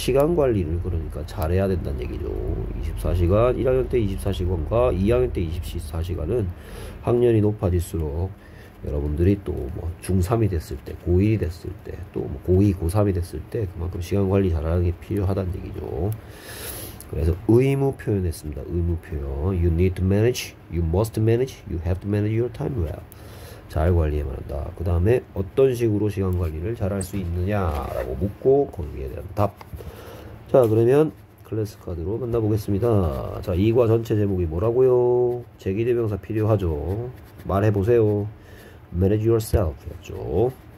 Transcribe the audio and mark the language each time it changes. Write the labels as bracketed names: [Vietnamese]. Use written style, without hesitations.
[Korean] 시간 관리를 그러니까 잘해야 된다는 얘기죠. 24시간, 1학년 때 24시간과 2학년 때 24시간은 학년이 높아질수록, 여러분들이 또뭐 중3이 됐을 때, 고1이 됐을 때, 또뭐 고2, 고3이 됐을 때, 그만큼 시간 관리 잘하는 게 필요하다는 얘기죠. 그래서 의무 표현했습니다. 의무 표현. [English] You need to manage, you must manage, you have to manage your time well. [Korean] 잘 관리해야만 한다. 그 다음에 어떤 식으로 시간 관리를 잘할 수 있느냐라고 묻고 거기에 대한 답. 자, 그러면 클래스 카드로 만나보겠습니다. 자, 2과 전체 제목이 뭐라고요? 재기대명사 필요하죠. 말해보세요. [English] Manage yourself [Korean] 였죠.